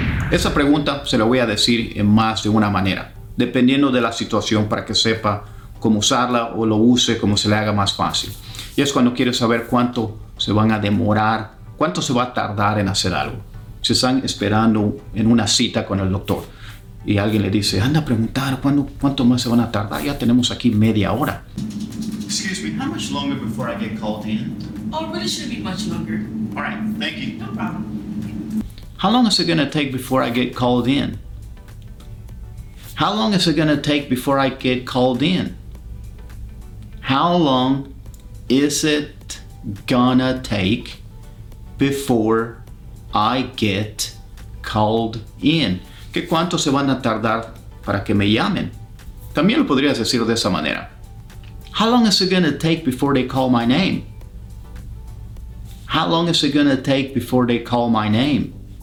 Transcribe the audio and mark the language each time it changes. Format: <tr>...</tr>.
<es>Esa pregunta se la voy a decir en más de una manera, dependiendo de la situación para que sepa cómo usarla o lo use como se le haga más fácil. Y es cuando quieres saber cuánto se van a demorar, cuánto se va a tardar en hacer algo. Si están esperando en una cita con el doctor y alguien le dice, anda a preguntar, ¿cuánto más se van a tardar? Ya tenemos aquí media hora.</es> <en>Excuse me, how much longer before I get called in? Oh, really shouldn't be much longer. All right, thank you. No problem. How long is it going to take before I get called in? How long is it going to take before I get called in? How long is it gonna take before I get called in?</en> <es>¿Qué cuánto se van a tardar para que me llamen? También lo podrías decir de esa manera.</es> <en>How long is it going to take before they call my name? How long is it going to take before they call my name?</en>